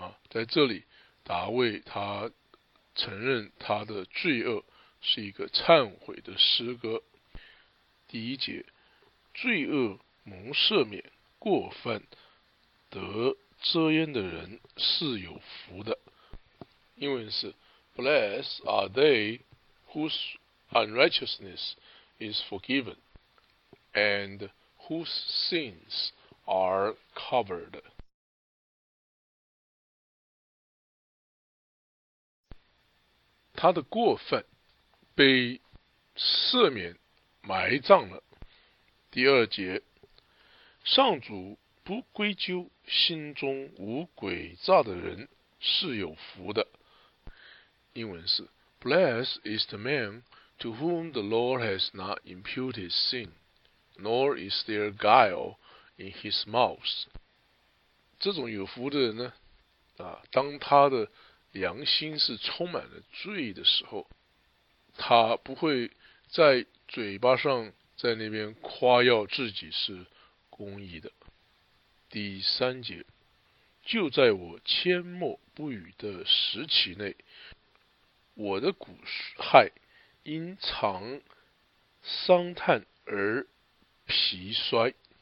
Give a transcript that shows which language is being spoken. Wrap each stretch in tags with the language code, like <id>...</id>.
<zh>在这里，达味他承认他的罪恶。是一个忏悔的诗歌。第一节，罪恶蒙赦免，过犯得遮掩的人是有福的。英文是</zh> <en>Blessed are they whose unrighteousness is forgiven and whose sins are covered。</en> <zh>他的过犯被赦免埋葬了。第二节，上主不归咎，心中无诡诈的人是有福的。英文是</zh> <en>Blessed is the man to whom the Lord has not imputed sin, nor is there guile in his mouth。</en> <zh>这种有福的人呢，当他的良心是充满了罪的时候，他不会在嘴巴上在那边夸耀自己是公义的。第三节，就在我缄默不语的时期内，我的骨骸因常伤叹而疲衰。</zh>